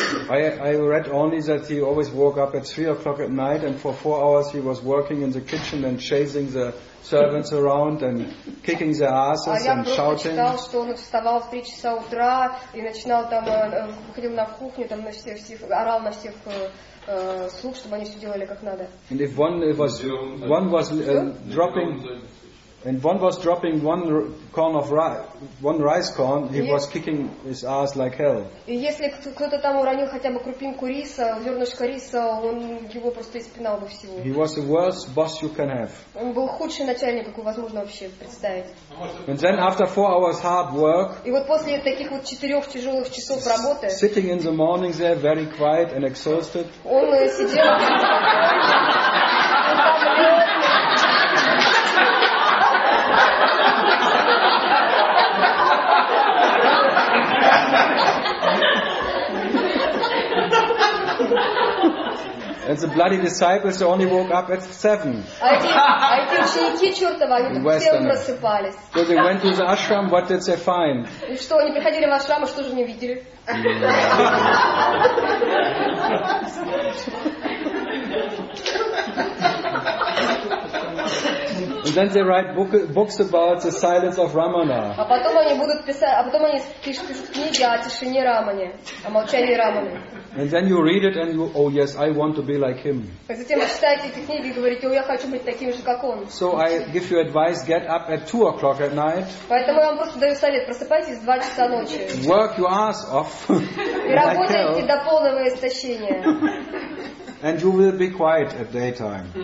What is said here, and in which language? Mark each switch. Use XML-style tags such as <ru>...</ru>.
<en>I read only that he always woke up at 3 o'clock at night, and for 4 hours he was working in the kitchen and chasing the servants around and kicking their asses and shouting.</en> <ru>Я прочитал, что он вставал в 3 часа утра и начинал там выходил на кухню, там на всех орал на всех слуг, чтобы они все делали как надо.</ru> <en>And if one was dropping. And one was dropping one corn of rice, one rice corn. He was kicking his ass like hell.</en> <ru>И если кто-то там уронил хотя бы крупинку риса, зернышко риса, он его просто испинал бы всего.</ru> <en>He was the worst boss you can have.</en> <ru>Он был худший начальник, какой возможно вообще представить.</ru> <en>And then after 4 hours hard work.</en> <ru>И вот после таких вот 4 тяжелых часов работы.</ru> <en>Sitting in the morning there, very quiet and exhausted.</en> <ru>Он сидел.</ru> <en>And the bloody disciples only woke up at 7.</en> <ru>Эти ученики чертова, они все просыпались.</ru> <en>So they went to the ashram, what did they find?</en> <ru>И что, они приходили в ашрам, и что же они видели?</ru> <en>And then they write books about the silence of Ramana.</en> <ru>А потом они будут писать, а потом они пишут книги о тишине Рамане, о молчании Раманы.</ru> <en>And then you read it and you, oh yes, I want to be like him.</en> <ru>А затем вы читаете эти книги и говорите, о, я хочу быть таким же, как он.</ru> <en>So I give you advice: get up at 2 o'clock at night.</en> <ru>Поэтому я вам просто даю совет: просыпайтесь в 2 часа ночи.</ru> <en>Work your ass off.</en> <ru>И работайте до полного истощения.</ru> <en>And you will be quiet at daytime.</en>